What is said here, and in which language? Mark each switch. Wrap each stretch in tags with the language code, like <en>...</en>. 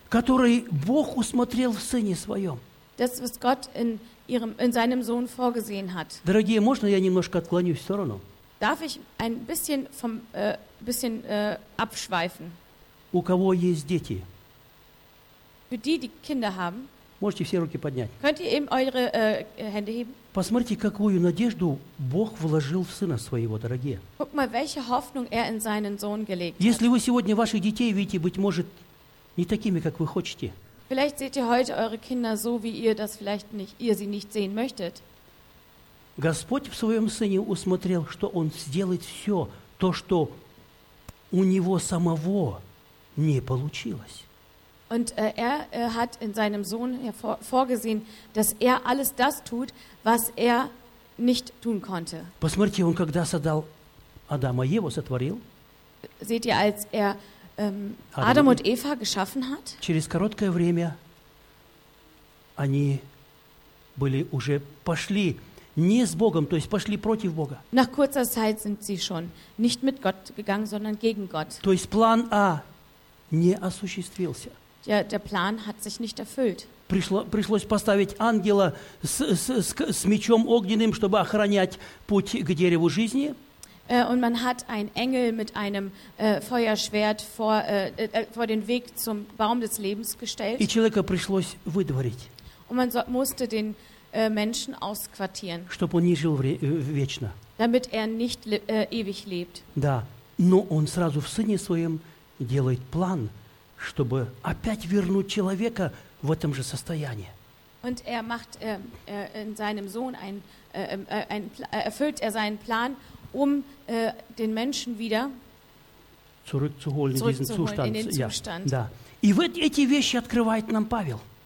<ru>Который Бог усмотрел в Сыне Своем.</ru> <de>Das, was Gott in seinem Sohn vorgesehen hat.</de> <ru>Дорогие, можно я немножко отклонюсь в сторону?</ru> <de>Darf ich ein bisschen abschweifen?</de> <ru>У кого есть дети?</ru> <de>Für die Kinder haben.</de> <ru>Можете все руки поднять.</ru> <de>Könnt ihr eben eure Hände heben?</de> <ru>Посмотрите, какую надежду Бог вложил в Сына Своего, дорогие.</ru> <de>Guck mal, welche Hoffnung in seinen Sohn gelegt hat.</de> <ru>Если вы сегодня ваших детей видите, быть может, не такими, как вы хотите.</ru> <de>Vielleicht seht ihr heute eure Kinder so, wie ihr das vielleicht nicht, ihr sie nicht sehen möchtet.</de> <ru>Господь в Своем Сыне усмотрел, что Он сделает все то, что у Него самого не получилось.</ru> <de>Und er hat in seinem Sohn vorgesehen, dass er alles das tut, was er nicht tun konnte.</de> <ru>Посмотрите, он когда создал Адама и Еву сотворил.</ru> <de>Seht ihr, als er Adam und Eva geschaffen hat?</de> <ru>Через короткое время они были уже пошли не с Богом, то есть пошли против Бога.</ru> <de>Nach kurzer Zeit sind sie schon nicht mit Gott gegangen, sondern gegen Gott.</de> <ru>То есть план А не осуществился.</ru> <de>Ja, der Plan hat sich nicht erfüllt.</de> <ru>Пришлось поставить ангела с мечом огненным, чтобы охранять путь к дереву жизни.</ru> <de>Und man hat einen Engel mit einem Feuerschwert vor den Weg zum Baum des Lebens gestellt.</de> <ru>И человека пришлось выдворить.</ru> <de>Und man musste den Menschen ausquartieren.</de> <ru>Чтобы он не жил вечно.</ru> <de>Damit er nicht ewig lebt.</de> <ru>Да, но он сразу в сыне своем делает план, чтобы опять вернуть человека в этом же состоянии.</ru> <de>Und er macht in seinem Sohn ein erfüllt er seinen Plan, um den Menschen wieder zurückzuholen, in den Zustand.</de> <ru>Да. И вот эти вещи открывает нам Павел.</ru>